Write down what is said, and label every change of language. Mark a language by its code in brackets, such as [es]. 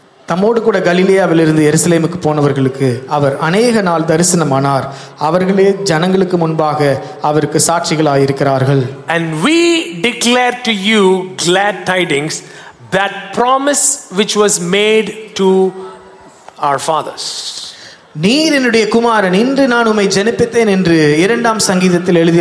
[ta] தம்மோடு கூட கலிலேயாவிலிருந்து எருசலேமுக்கு போனவர்களுக்கு அவர் அநேக நாள் தரிசனமானார். அவர்களே ஜனங்களுக்கு முன்பாக அவருக்கு சாட்சிகளாயிருக்கிறார்கள். [en] And we declare to you glad tidings that promise which was made to our fathers. [ta] நீர் என்னுடைய குமாரன் இன்று நான் உம்மை ஜெனிப்பித்தேன் என்று இரண்டாம் சங்கீதத்தில்